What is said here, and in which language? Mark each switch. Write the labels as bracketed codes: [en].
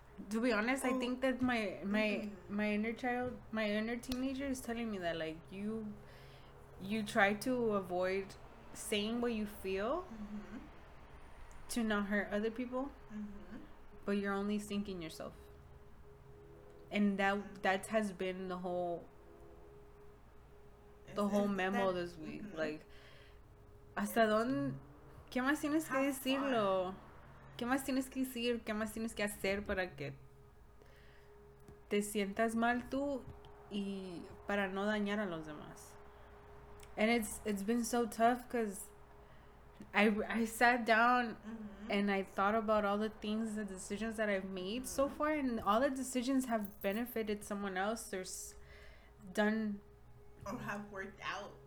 [en] To be honest, I think that my inner child, my inner teenager is telling me that, like, you try to avoid saying what you feel mm-hmm. to not hurt other people, mm-hmm. but you're only sinking yourself. And that has been the whole memo that, this week. Mm-hmm. [es] Like, hasta dónde, ¿qué más tienes que decirlo? ¿Qué más tienes que decir? ¿Qué más tienes que hacer para que te sientas mal tú y para no dañar a los demás? [en] And it's been so tough because I sat down mm-hmm. and I thought about all the things, the decisions that I've made mm-hmm. so far, and all the decisions have benefited someone else or done or have worked out